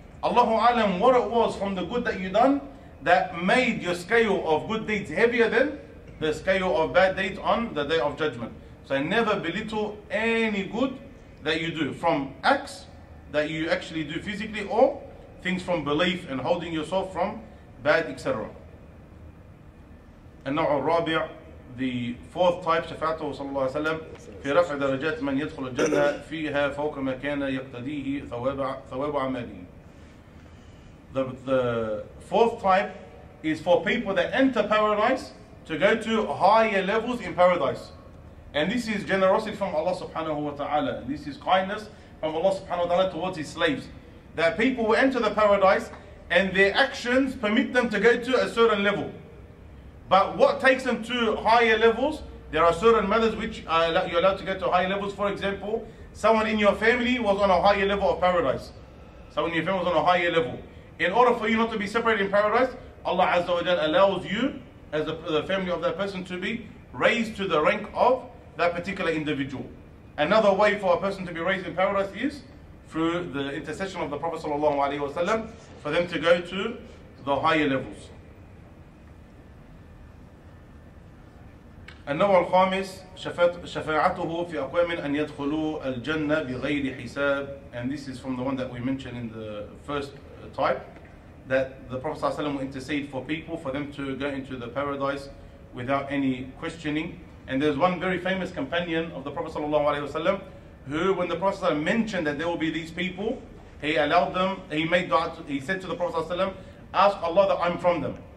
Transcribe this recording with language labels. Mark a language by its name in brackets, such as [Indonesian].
[English] Allahu alam, what it was from the good that you done that made your scale of good deeds heavier than the scale of bad deeds on the day of judgment. So never belittle any good that you do from acts that you actually do physically or things from belief and holding yourself from bad, etc. [Arabic] النوع الرابع, [English] the fourth type, [Arabic] شفاعته صلى الله عليه وسلم في رفع درجات من يدخل الجنة فيها فوق ما كان يقتديه ثواب عماله. [English] The fourth type is for people that enter paradise to go to higher levels in paradise. And this is generosity from Allah subhanahu wa ta'ala. This is kindness from Allah subhanahu wa ta'ala towards his slaves. That people will enter the paradise and their actions permit them to go to a certain level. But what takes them to higher levels, there are certain matters which you're allowed to get to higher levels. For example, someone in your family was on a higher level of paradise. Someone in your family was on a higher level. In order for you not to be separated in paradise, Allah Azza wa Jalla allows you, as the family of that person, to be raised to the rank of that particular individual. Another way for a person to be raised in paradise is through the intercession of the Prophet Sallallahu Alaihi Wasallam, for them to go to the higher levels. [Arabic] النوع الخامس شفاعته في أقوام أن يدخلوا الجنة بغير حساب. [English] And this is from the one that we mentioned in the first type, that the Prophet ﷺ will intercede for people for them to go into the paradise without any questioning. And there's one very famous companion of the Prophet ﷺ who, when the Prophet ﷺ mentioned that there will be these people, he allowed them, he made dua, he said to the Prophet ﷺ, ask Allah that I'm from them.